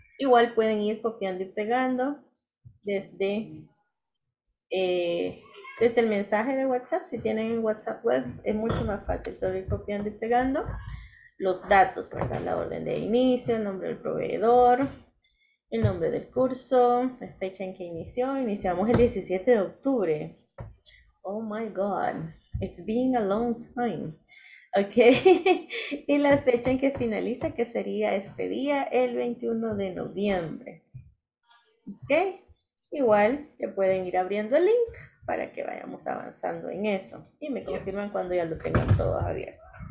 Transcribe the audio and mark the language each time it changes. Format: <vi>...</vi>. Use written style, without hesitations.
<es>Igual pueden ir copiando y pegando desde, desde el mensaje de WhatsApp. Si tienen en WhatsApp web, es mucho más fácil todo ir copiando y pegando los datos, ¿verdad? La orden de inicio, el nombre del proveedor, el nombre del curso, la fecha en que inició. Iniciamos el 17 de octubre.</es> <en>Oh my God, it's been a long time.</en> <es>Ok, y la fecha en que finaliza, que sería este día, el 21 de noviembre. Ok, igual ya pueden ir abriendo el link para que vayamos avanzando en eso. Y me confirman cuando ya lo tengan todo abierto.</es>